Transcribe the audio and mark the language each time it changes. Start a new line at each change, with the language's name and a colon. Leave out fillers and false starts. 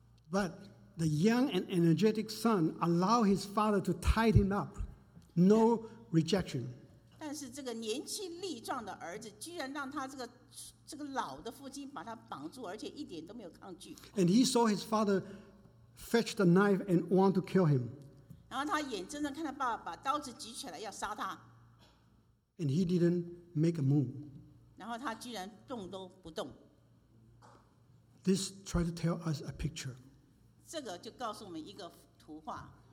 English: But the young and energetic son allowed his father to tie him up. No rejection.
Chinese: 但是这个年轻力壮的儿子居然让他这个老的父亲把他绑住，而且一点都没有抗拒。
English: And he saw his father fetch the knife and want to kill him.
Chinese: 然后他眼睁睁看他爸爸把刀子举起来要杀他。
English: And he didn't make a move.
Chinese: 然后他居然动都不动。
English: This tried to tell us a picture.
Chinese: 这个就告诉我们一个图画。